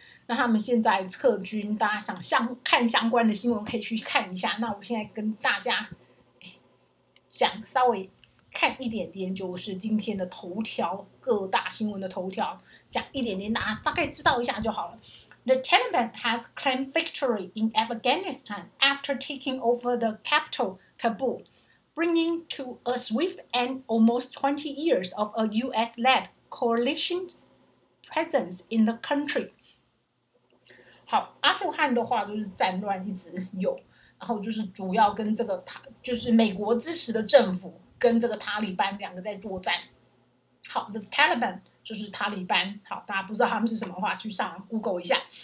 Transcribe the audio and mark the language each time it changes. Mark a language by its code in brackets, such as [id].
[zh] 那他们现在撤军，大家想看相关的新闻可以去看一下。那我现在跟大家讲稍微看一点点，就是今天的头条，各大新闻的头条讲一点点，大家大概知道一下就好了。 [en] The Taliban has claimed victory in Afghanistan after taking over the capital Kabul, bringing to a swift end almost 20 years of a US-led coalition presence in the country。 [zh] 好，阿富汗的话就是战乱一直有，然后就是主要跟这个就是美国支持的政府跟这个塔利班两个在作战。好 ，The Taliban 就是塔利班。好，大家不知道他们是什么话，去上 Google 一下。